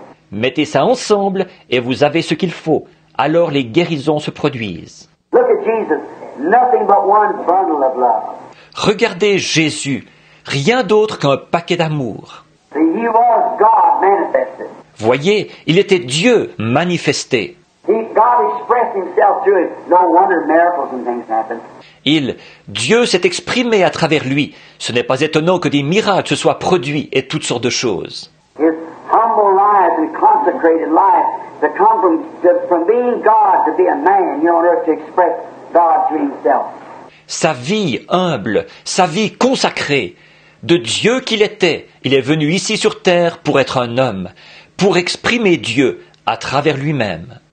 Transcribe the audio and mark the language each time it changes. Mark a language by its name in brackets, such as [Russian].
[French] Mettez ça ensemble et vous avez ce qu'il faut. Alors les guérisons se produisent. [English] Look at Jesus, nothing but one bundle of love. [French] Regardez Jésus, rien d'autre qu'un paquet d'amour. [English] See, he was God manifested. [French] Voyez, il était Dieu manifesté. [English] God expressed himself through it. No wonder miracles and things happened. [French] Dieu s'est exprimé à travers lui. Ce n'est pas étonnant que des miracles se soient produits et toutes sortes de choses. [English] His humble life and consecrated life to come from being God to be a man here on earth to express God to himself. [French] Sa vie humble, sa vie consacrée, de Dieu qu'il était, il est venu ici sur terre pour être un homme, pour exprimer Dieu à travers lui-même.